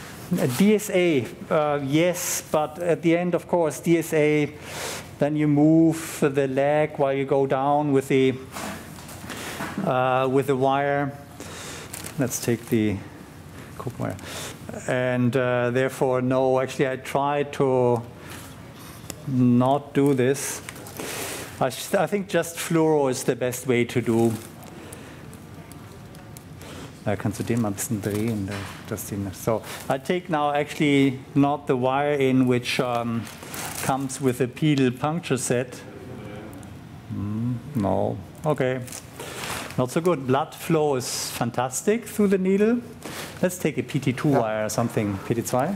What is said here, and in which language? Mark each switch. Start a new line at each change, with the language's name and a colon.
English: DSA, yes, but at the end, of course, DSA, then you move the leg while you go down with the wire. Let's take the cook wire. And therefore, no, actually, I try to not do this. I think just fluoro is the best way to do.
German: Kannst du den mal ein bisschen drehen, Justine?
English: So I take now actually not the wire in, which comes with a pedal puncture set. No. Okay. Not so good. Blood flow is fantastic through the needle. Let's take a PT2 wire or something. PT2?